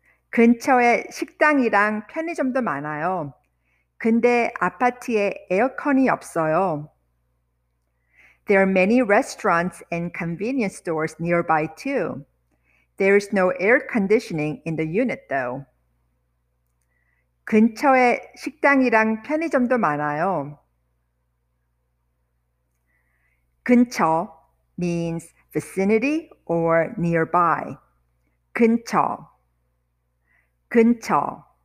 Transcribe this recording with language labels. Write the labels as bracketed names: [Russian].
[Korean] 근처에 식당이랑 편의점도 많아요. 근데 아파트에 에어컨이 없어요. [English] There are many restaurants and convenience stores nearby too. There is no air conditioning in the unit though. [Korean] 근처에 식당이랑 편의점도 많아요. [English] 근처 means vicinity or nearby. [Korean] 근처 근처